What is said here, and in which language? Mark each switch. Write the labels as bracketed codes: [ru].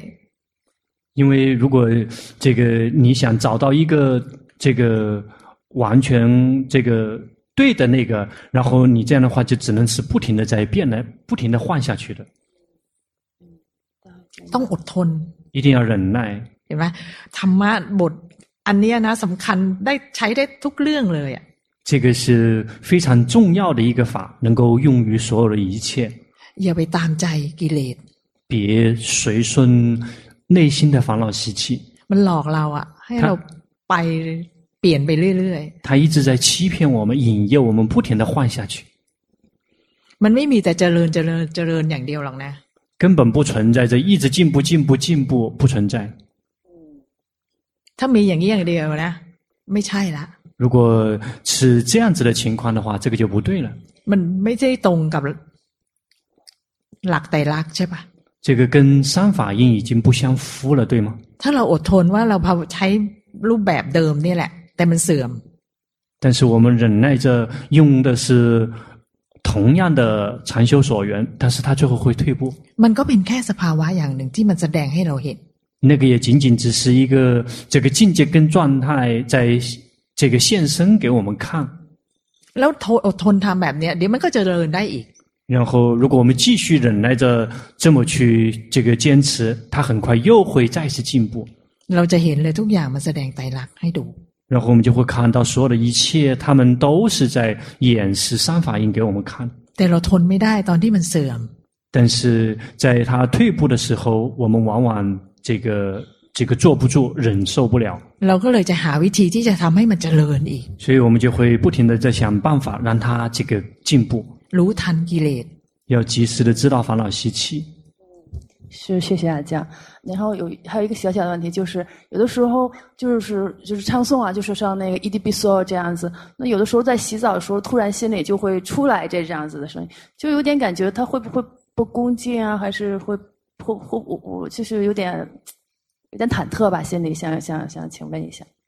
[zh] ๆ因为如果这个你想找到一个这个完全这个对的那个然后你这样的话就只能是不停的在变来不停的换下去的 [th] ต้องอดทน [zh] 一定要忍耐 [th] เห็นไหมธรรมะบทอันนี้นะสำคัญได้ใช้ได้ทุกเรื่องเลยอ่ะ [zh] 这个是非常重要的一个法能够用于所有的一切 [th] อย่าไปตามใจกิเลส [zh] 别随顺内心的烦恼习气 [th] มันหลอกเราอ่ะให้เราไปเปลี่ยนไปเรื่อย [zh] ๆ他一直在欺骗我们引诱我们不停的换下去 [th] มันไม่มีแต่เจริญเจริญเจริญอย่างเดียวหรอกนะ [zh] 根本不存在这一直进步进步进步不存在 [th] ถ้ามีอย่างนี้อย่างเดียวนะไม่ใช่ละ [zh] 如果是这样子的情况的话这个就不对了 [th] มันไม่ใช่ตรงกับหลักไตรลักษณ์ใช่ป่ะ [zh] 这个跟三法印已经不相符了对吗 [th] ถ้าเราอดทนว่าเราใช้รูปแบบเดิมนี่แหละแต่มันเสื่อม [zh] 但是我们忍耐着用的是同样的禅修所缘但是它最后会退步 [th] มันก็เป็นแค่สภาวะอย่างหนึ่งที่มันแสดงให้เราเห็น นั่นก็ [zh] 也仅仅只是一个这个境界跟状态在这个现身给我们看 [th] แล้วทนทำแบบนี้เดี๋ยวมันก็จะเจริญได้อีก [zh] 然后如果我们继续忍耐着这么去这个坚持它很快又会再次进步 [th] เราจะเห็นเลยทุกอย่างมันแสดงไตรลักษณ์ให้ดู [zh] 然后我们就会看到所有的一切他们都是在演示三法印给我们看 [th] แต่เราทนไม่ได้ตอนที่มันเสื่อม [zh] 但是在它退步的时候我们往往这个坐不住忍受不了 [th] เราก็เลยจะหาวิธีที่จะทำให้มันเจริญอีก [zh] 所以我们就会不停地在想办法让它这个进步 [th] รู้ทันกิเลส [zh] 要及时的知道烦恼习气是谢谢阿江然后还有一个小小的问题就是有的时候就是唱诵啊就是像那个 EDB Soul 这样子那有的时候在洗澡的时候突然心里就会出来这样子的声音就有点感觉他会不会不恭敬啊还是会我就是有点忐忑吧心里想请问一下